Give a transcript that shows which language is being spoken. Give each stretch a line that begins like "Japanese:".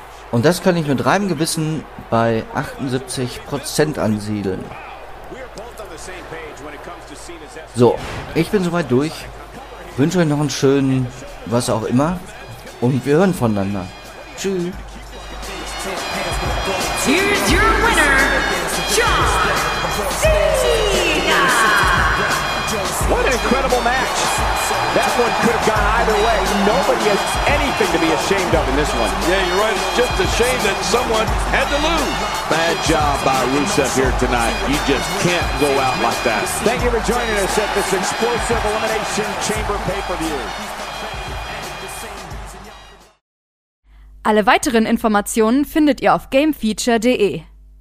German: Und das kann ich mit reinem Gewissen bei 78% ansiedeln. So, ich bin soweit durch. Wünsche euch noch einen schönen was auch immer. Und wir hören voneinander. Tschüss.
English: Here's your winner, John Cena. What an incredible match. That one could have gone either way. Nobody has anything to be ashamed of in this one. Yeah, you're right. It's just a shame that someone had to lose. Bad job by Rusev here tonight. You just can't go out like that. Thank you for joining us at this explosive Elimination Chamber pay-per-view.
German: Alle weiteren Informationen findet ihr auf gamefeature.de.